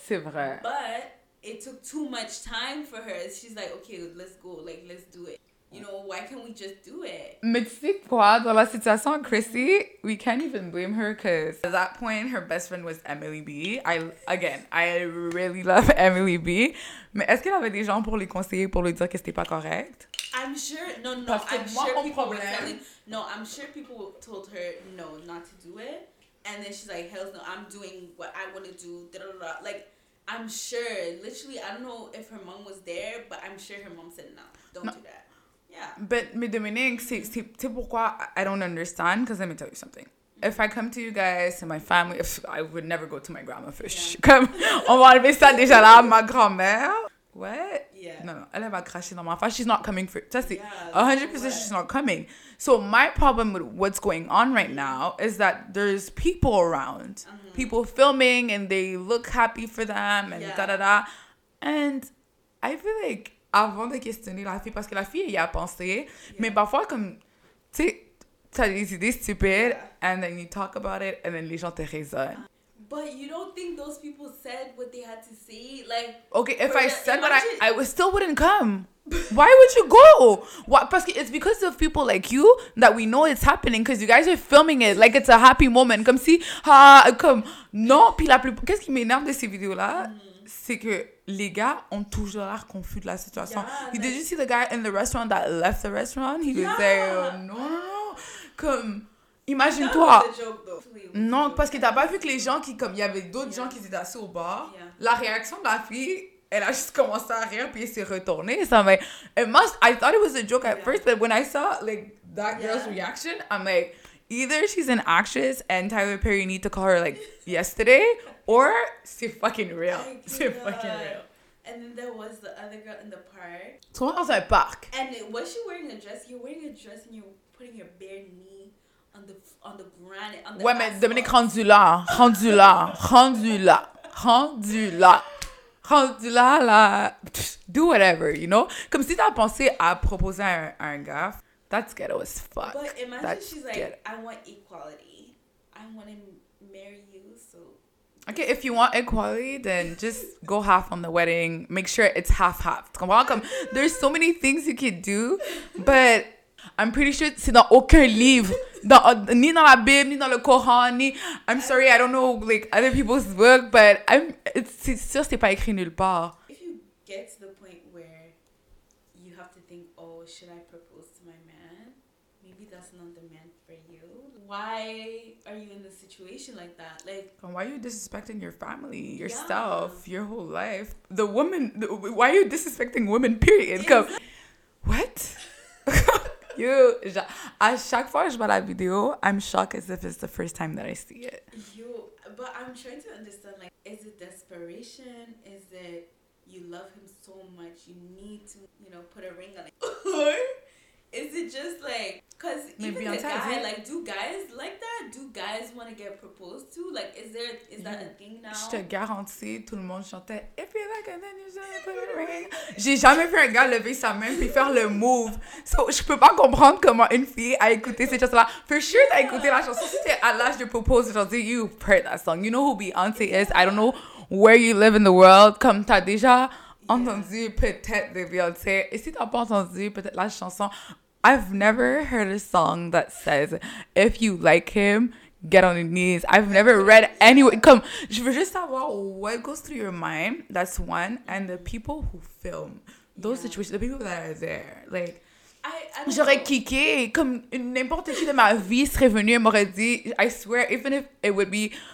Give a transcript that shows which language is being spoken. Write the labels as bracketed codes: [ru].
[fr] C'est vrai. [en] But it took too much time for her. She's like, okay, let's go. Like, let's do it. You know, why can't we just do it? [fr] Mais tu sais quoi? Dans la situation, [en] Chrissy, we can't even blame her because at that point, her best friend was Emily B. I really love Emily B. [fr] Mais est-ce qu'elle avait des gens pour lui conseiller, pour lui dire que c'était pas correct? [en] I'm sure. I'm sure people told her, no, not to do it. And then she's like, hell no, I'm doing what I want to do. Da-da-da-da. Like, I'm sure. Literally, I don't know if her mom was there, but I'm sure her mom said, no, don't do that. Yeah. But, [fr] mais Dominique, c'est pourquoi [en] I don't understand, because let me tell you something. If I come to you guys and my family, I would never go to my grandma first. [fr] Comme, on va enlever ça déjà là, ma grand-mère. [en] What? Yeah. No, [fr] elle va cracher dans ma face. [en] She's not coming for, [fr] ça c'est [en] 100% she's not coming. So my problem with what's going on right now is that there's people around. Mm-hmm. People filming and they look happy for them and da-da-da. And I feel like, [fr] avant de questionner la fille, parce que la fille y a pensé, mais parfois comme, tu sais, t'as des idées stupides, [en] and then you talk about it, and then [fr] les gens te raisonnent. [en] But you don't think those people said what they had to say? Like, okay, if I said what I still wouldn't come. Why would you go? What? [fr] Parce que [en] it's because of people like you that we know it's happening, because you guys are filming it like it's a happy moment. [fr] Comme si, comme, non, puis la plupart, qu'est-ce qui m'énerve de ces vidéos-là? C'est que les gars ont toujours l'air confus de la situation. [en] Yeah, did you see the guy in the restaurant that left the restaurant? He was there. No. [fr] Comme, imagine-toi. Non, parce que t'as pas vu que les gens qui, comme, il y avait d'autres gens qui étaient assis au bar. [en] Yeah. [fr] La réaction de la fille, elle a juste commencé à rire puis elle s'est retournée. Ça m'a. [en] I thought it was a joke at first, but when I saw like that girl's reaction, I'm like, either she's an actress and Tyler Perry need to call her like yesterday. [fr] Or, c'est fucking real. C'est fucking real. [en] And then there was the other girl in the park. [fr] Toi dans un parc. [en] And was she wearing a dress? You're wearing a dress and you're putting your bare knee on the granite. On the [fr] mais Dominique, rendu là. [en] Do whatever, you know? [fr] Comme si t'as pensé à proposer à un gars. [en] That's ghetto as fuck. But imagine that's she's like, ghetto. I want equality. I want to marry you, so. Okay, if you want equality, then just go half on the wedding. Make sure it's half-half. Come on, come. There's so many things you can do, but I'm pretty sure it's not [fr] aucun livre. Ni dans la Bible, ni dans le Coran, ni... [en] I'm sorry, I don't know, like, other people's work, but I'm... [fr] C'est sûr, c'est pas écrit nulle part. [en] If you get to the point where you have to think, oh, should I propose to my man? Maybe that's not the man for you. Why are you in the situation like that? Like, and why are you disrespecting your family, yourself, your whole life? The woman, why are you disrespecting women, period? Come, what? You, [fr] à chaque fois que je vois la vidéo, [en] I'm shocked as if it's the first time that I see it. You, but I'm trying to understand, like, is it desperation? Is it you love him so much, you need to, you know, put a ring on it? Or is it just like, because even the guy, like, do guys like that? Do guys want to get proposed to? Like, is that a thing now? [fr] Je te garantis, tout le monde chantait, [en] if you like it, then you should put a ring. [fr] J'ai jamais vu un gars lever sa main puis faire le move. So, je peux pas comprendre comment une fille a écouté cette chanson-là. [en] For sure, [fr] t'as écouté la chanson. Si t'es à l'âge de propose, j'en dis, [en] you've heard that song. You know who Beyoncé is? I don't know where you live in the world. [fr] Comme t'as déjà entendu peut-être de Beyoncé. Et si t'as pas entendu peut-être la chanson... [en] I've never heard a song that says, if you like him, get on your knees. I've never read anyway. Come, [fr] je veux juste savoir [en] what goes through your mind. That's one. And the people who film those situations, the people that are there. [fr] Like, j'aurais kické. Comme n'importe qui de ma vie serait venu et m'aurait dit, [en] I swear, even if it would be